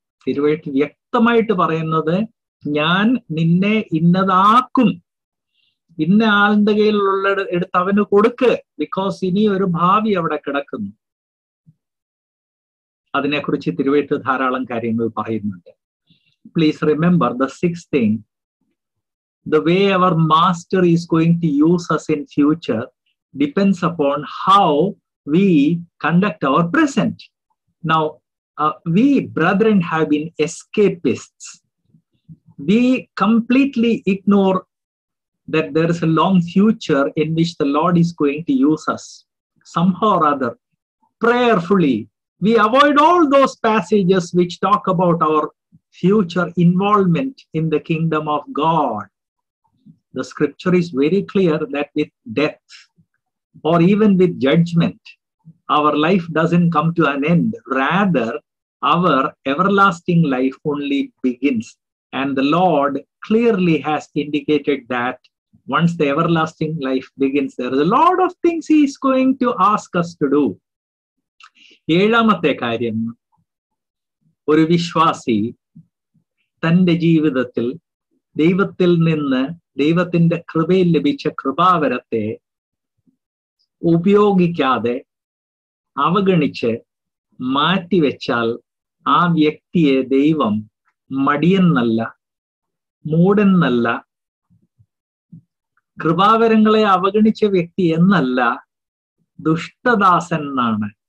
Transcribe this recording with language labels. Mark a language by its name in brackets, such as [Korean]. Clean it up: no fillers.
[Malayalam] തിരുവെഴുത്ത് വ്യക്തമായിട്ട് പറയുന്നത് ഞാൻ നിന്നെ ഇന്നതാക്കും, ഇന്ന ആളുടെ കയ്യിലുള്ള എടുത്ത് അവന് കൊടുക്ക്, ബിക്കോസ് ഇനി ഒരു ഭാവി അവിടെ കിടക്കുന്നു. അതിനെക്കുറിച്ച് തിരുവെഴുത്ത് ധാരാളം കാര്യങ്ങൾ പറയുന്നുണ്ട്. [English] Please remember the six thing, the way our master is going to use us in future, depends upon how we conduct our present. Now, we brethren have been escapists. We completely ignore that there is a long future in which the Lord is going to use us. Somehow or other, prayerfully, we avoid all those passages which talk about our future involvement in the kingdom of God. The scripture is very clear that with death or even with judgment, our life doesn't come to an end. Rather, our everlasting life only begins. And the Lord clearly has indicated that once the everlasting life begins, there is a lot of things He is going to ask us to do. [Malayalam] ഏഴാമത്തെ കാര്യം, ഒരു വിശ്വാസി തൻ്റെ ജീവിതത്തിൽ ദൈവത്തിൽ നിന്ന് ദൈവത്തിൻ്റെ കൃപയിൽ ലഭിച്ച കൃപാവരത്തെ ഉപയോഗിക്കാതെ അവഗണിച്ച് മാറ്റിവെച്ചാൽ ആ വ്യക്തിയെ ദൈവം മടിയെന്നല്ല, മൂടെന്നല്ല, കൃപാവരങ്ങളെ അവഗണിച്ച വ്യക്തി എന്നല്ല, ദുഷ്ടദാസൻ എന്നാണ്.